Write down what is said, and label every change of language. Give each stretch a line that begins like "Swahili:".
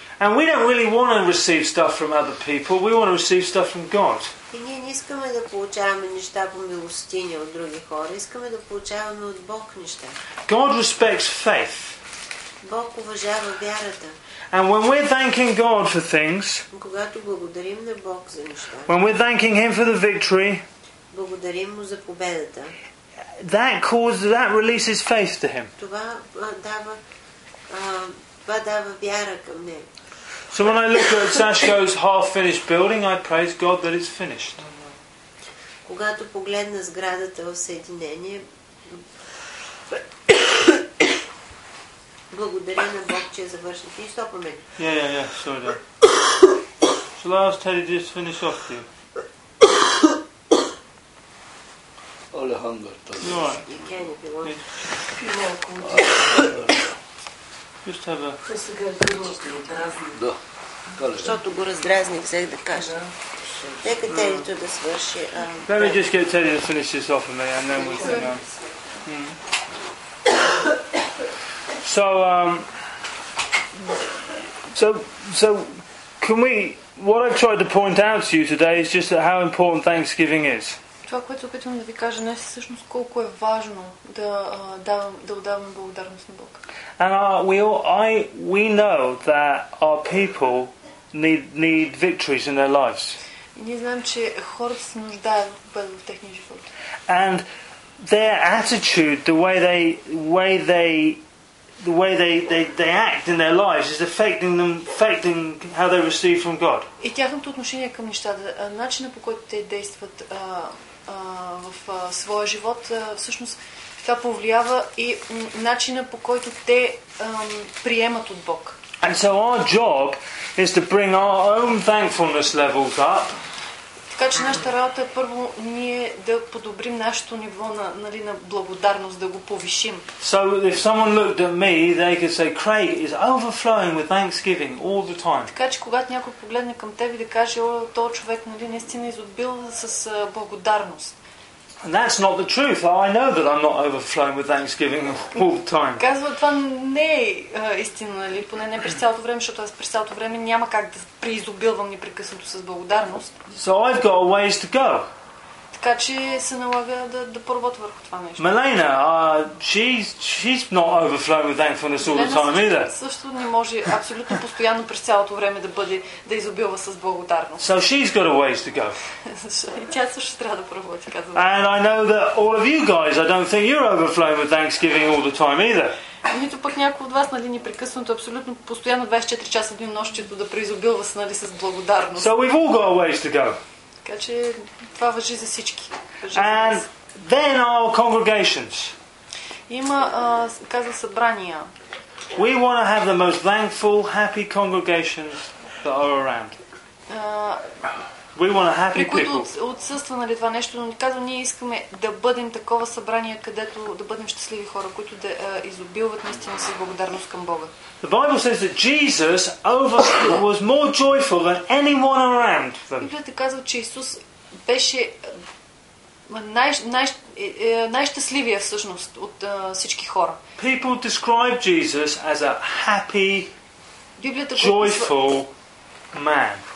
English: And we don't really want to receive stuff from other people. We want to receive stuff from God.
Bulgarian: И ние не искаме да получаваме неща по милостиня от други хора. Искаме да получаваме от Бог неща.
English: God respects faith.
Bulgarian: Бог уважава вярата.
English: And when we're thanking God for things,
Bulgarian: когато благодарим на Бог за неща,
English: when we're thanking Him for the victory,
Bulgarian: благодарим му за победата,
English: that releases faith to Him.
Bulgarian: Това дава вяра към него.
English: So when I look at Sashko's half-finished building, I praise God that it's finished.
Bulgarian: Когато погледна сградата в съединение, благодаря на Бог, че е завършен. Ти стопа ме.
English: Yeah, sorry. Dear. Shall I ask Teddy just finish off to you? Alejandro. You can if you want. Just have a...
Bulgarian: Защото го раздразни взех да кажа. Нека Телито да свърши.
English: Let me just get Teddy to finish this off for me and then we can... So can we, what I've tried to point out to you today is just that how important Thanksgiving is.
Bulgarian: Това, което опитвам да ви кажа днес, всъщност колко е важно да отдавам благодарност на Бог.
English: And we know that our people need victories in their lives.
Bulgarian: Ние знаем, че хората се нуждаят от победа в техния живот.
English: And their attitude, the way they act in their lives is affecting how they receive from God.
Bulgarian: И тяхното отношение към нещата, начина по който те действат в своя живот, всъщност това повлиява и начина по който те приемат от Бог.
English: And so our job is to bring our own thankfulness levels up.
Bulgarian: Така че нашата работа е първо ние да подобрим нашето ниво на, нали, на благодарност, да го повишим.
English: So if someone looked at me, they could say, Craig is overflowing with thanksgiving all the time.
Bulgarian: Така че когато някой погледне към теб и да каже, о, този човек, нали, наистина изобил с благодарност.
English: And that's not the truth. I know that I'm not overflowing with thanksgiving all the time.
Bulgarian: Казва, това не е истина, нали, поне не през цялото време, защото аз през цялото време няма как да преизобилвам непрекъснато с благодарност.
English: So I've got a ways to go.
Bulgarian: Така че се налага да поработя върху това нещо.
English: Melena, she's not overflowing with thankfulness all the time either.
Bulgarian: Също не може абсолютно постоянно през цялото време да изобилва с благодарност.
English: So she's got a ways to go.
Bulgarian: Тя също трябва да проработи, казвам.
English: And I know that all of you guys, I don't think you're overflowing with thanksgiving all the time either.
Bulgarian: Нито пък някой от вас, нали, непрекъснато, абсолютно постоянно 24 часа в денонощието да преизобилва с, нали, с благодарност.
English: So we've all got a ways to go.
Bulgarian: Така че това важи за всички.
English: And then our congregations.
Bulgarian: Има, каза, събрания.
English: We want to have the most thankful, happy congregations that are around. We want a happy people.
Bulgarian: При които отсъства, нали, това нещо, но казвам, ние искаме да бъдем такова събрание, където да бъдем щастливи хора, които да изобилват наистина с благодарност към Бога.
English: The Bible says that Jesus was more joyful than anyone around them.
Bulgarian: Библията казва, че Исус беше най-щастливия всъщност от всички хора.
English: People describe Jesus as a happy, joyful man.